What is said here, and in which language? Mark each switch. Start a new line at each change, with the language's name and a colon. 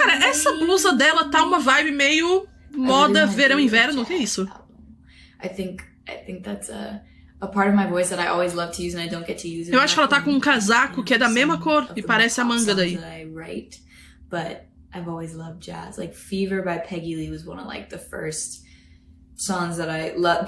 Portuguese: Cara, essa blusa dela tá uma vibe meio moda verão-inverno. Que é isso?
English: I think that's a part of my voice that I always love to use and I don't get to use.
Portuguese: Eu acho que ela tá com um casaco que é da mesma cor e parece a manga daí.
English: I write, but I've always loved jazz. Like Fever by Peggy Lee was one of like the first songs that I loved.